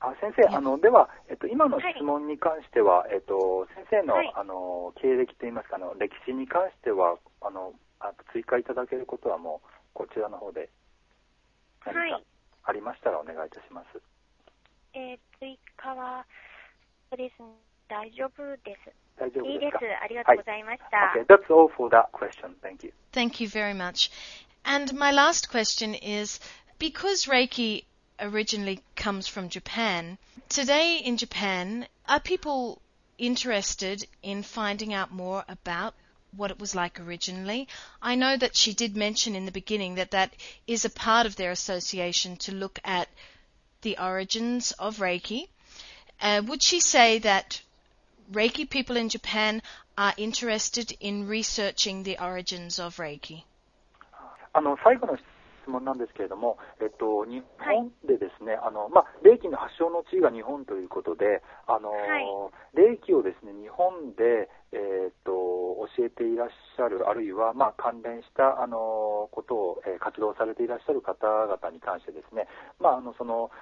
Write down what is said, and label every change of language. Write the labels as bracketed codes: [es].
[ja] 先生、では、今の質問に関しては、先生の、経歴といいますか、歴史に関しては、追加いただけることはもうこちらの方で何かありましたらお願いいたします。はい、追加はそうですね。大丈夫です。大丈夫ですか？いいです。ありがとうございました。 [en] はい。Okay, that's all for that question. Thank you. Thank you very much. And my last question is, because Reiki originally comes from Japan, today in Japan, are people interested in finding out more about what it was like originally? I know that she did mention in the beginning that that is a part of their association to look at the origins of Reiki. Would she say that... Reiki people in Japan are interested in researching the origins of Reiki. [ja] 最後の質問なんですけれども、日本でですね、はい、まあ、霊気の発祥の地が日本ということで、はい、霊気をですね、日本で、教えていらっしゃる、あるいは、まあ、関連した、ことを、活動されていらっしゃる方々に関してですね、まあ、その、